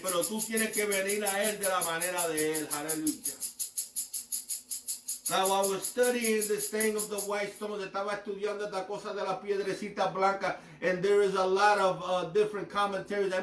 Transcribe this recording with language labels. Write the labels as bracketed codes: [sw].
[es] Pero tú tienes que venir a él de la manera de él. Hallelujah. [en] Now I was studying this thing of the white stones. [es] Estaba estudiando esta cosa de la piedrecita blanca. [en] And there is a lot of different commentaries.